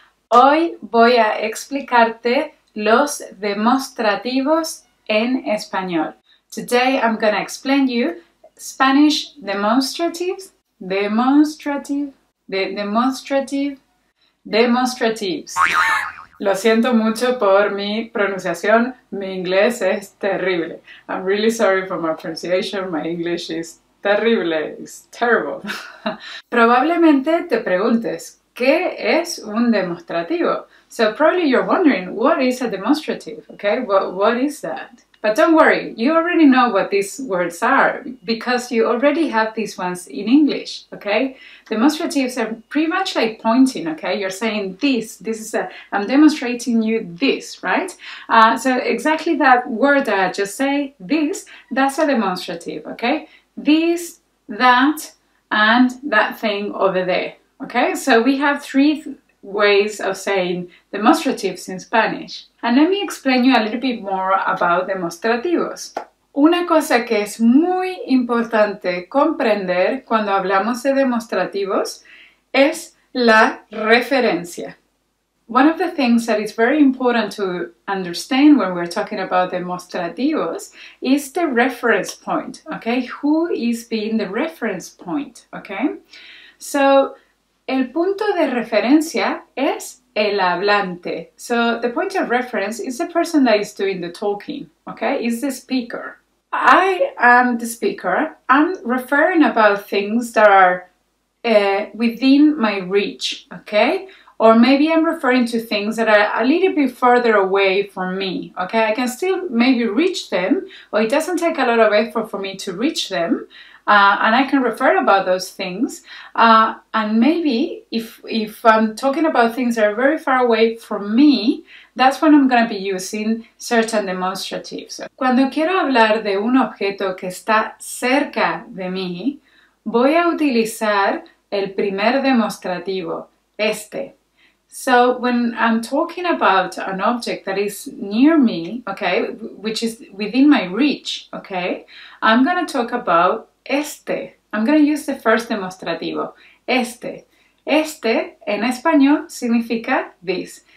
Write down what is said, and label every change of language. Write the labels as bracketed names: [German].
[Spanish] Hoy voy a explicarte los demostrativos en español. [English] Today I'm going to explain you Spanish demonstratives. Demonstratives. [Spanish] Lo siento mucho por mi pronunciación, mi inglés es terrible. [English] I'm really sorry for my pronunciation, my English is terrible, it's terrible. [Spanish] Probablemente te preguntes, ¿qué es un demostrativo? [English] So probably you're wondering, what is a demonstrative, okay? What is that? But don't worry, you already know what these words are because you already have these ones in English, okay? Demonstratives are pretty much like pointing, okay? You're saying this is a, I'm demonstrating you this, right? So exactly that word that I just say, this, that's a demonstrative, okay? This, that, and that thing over there, okay? So we have three ways of saying demonstratives in Spanish. And let me explain you a little bit more about demostrativos. [Spanish] Una cosa que es muy importante comprender cuando hablamos de demostrativos es la referencia. [English] One of the things that is very important to understand when we're talking about demostrativos is the reference point, okay? Who is being the reference point, okay? [Spanish] So, el punto de referencia es el hablante. [English] So the point of reference is the person that is doing the talking, okay? Is the speaker. I am the speaker. I'm referring about things that are within my reach, okay? Or maybe I'm referring to things that are a little bit further away from me, okay? I can still maybe reach them, but it doesn't take a lot of effort for me to reach them. And I can refer about those things. And maybe if I'm talking about things that are very far away from me, that's when I'm going to be using certain demonstratives. [Spanish] Cuando quiero hablar de un objeto que está cerca de mí, voy a utilizar el primer demostrativo, este. [English] So when I'm talking about an object that is near me, okay, which is within my reach, okay, I'm going to talk about este. I'm going to use the first demostrativo. Este. Este en español significa this.